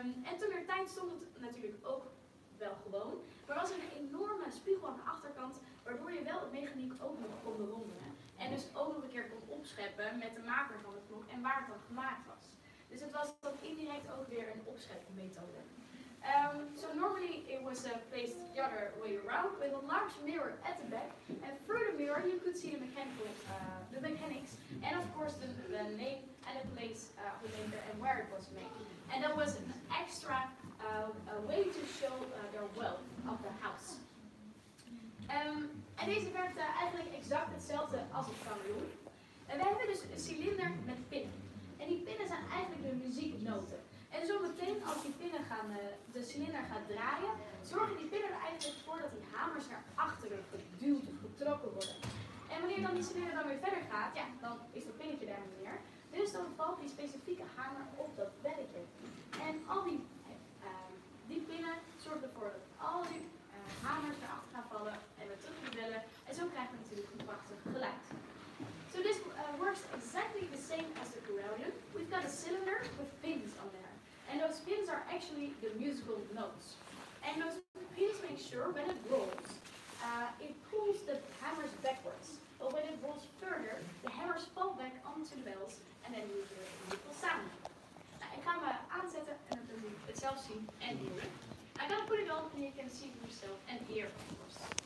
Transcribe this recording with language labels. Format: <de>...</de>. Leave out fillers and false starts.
<nl>En toen er tijd stond het natuurlijk ook wel gewoon, maar was er een enorme spiegel aan de achterkant, waardoor je wel het mechaniek ook nog kon bewonderen. En dus ook nog een keer kon opscheppen met de maker van de klok en waar het dan gemaakt was. Dus het was dan indirect ook weer een opscheppenmethode.</nl> <en>So normally it was placed the other way around with a large mirror at the back. And through the mirror you could see the mechanics and of course the name and the place of the maker and where it was made. And that was an extra way to show their wealth of the house.</en> <nl>En deze werkte eigenlijk exact hetzelfde als het kameleon. En wij hebben dus een cilinder met pinnen. En die pinnen zijn eigenlijk de muzieknoten. En zo meteen als die pinnen gaan, de cilinder gaat draaien, zorgen die pinnen er eigenlijk voor dat die hamers naar achteren geduwd of getrokken worden. En wanneer dan die cilinder dan weer verder gaat, ja, dan is dat pinnetje daar niet meer. Dus dan valt die specifieke hamer op dat belletje. En al die pinnen zorgen ervoor dat al die hamers naar achter gaan vallen en weer terug gaan bellen. En zo krijgen we natuurlijk een prachtig geluid.</nl> <en>So this works exactly the same as the carillon. We've got a cylinder with pins on there. And those pins are actually the musical notes. And those pins make sure when it rolls, it pulls the hammers backwards. But when it rolls further, the hammers fall back onto the bells and then you hear a musical sound.</en> <nl>Nou, ik ga hem aanzetten en dan kun je het zelf zien en horen.</nl> <en>I gotta put it on and you can see for yourself and hear, of course.</en>